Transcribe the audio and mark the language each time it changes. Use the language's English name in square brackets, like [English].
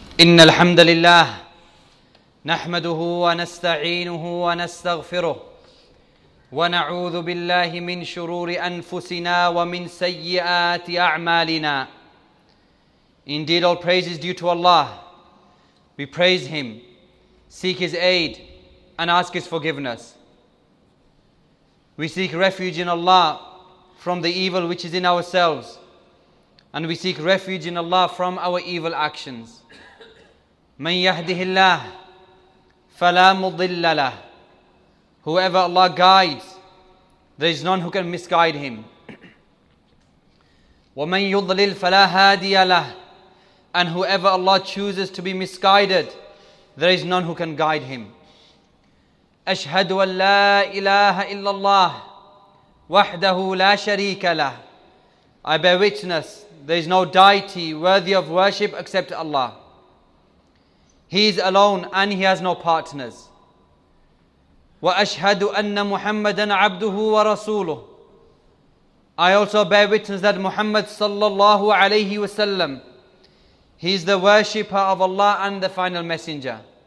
[Arabic] إن الحمد لله نحمده ونستعينه ونستغفره ونعوذ بالله من شرور أنفسنا ومن سيئات أعمالنا. [English] Indeed, all praise is due to Allah. We praise Him, seek His aid, and ask His forgiveness. We seek refuge in Allah from the evil which is in ourselves, and we seek refuge in Allah from our evil actions. [Arabic] من يهده الله فلا مضل له. [English] Whoever Allah guides, there is none who can misguide him. [Arabic] ومن يضلل فلا هادي له. [English] And whoever Allah chooses to be misguided, there is none who can guide him. [Arabic] أشهد أن لا إله إلا الله وحده لا شريك له. [English] I bear witness, there is no deity worthy of worship except Allah. He is alone and he has no partners. [Arabic] وَأَشْهَدُ أَنَّ مُحَمَّدًا عَبْدُهُ وَرَسُولُهُ. [English] I also bear witness that Muhammad sallallahu alayhi wa sallam, he is the worshipper of Allah and the final messenger.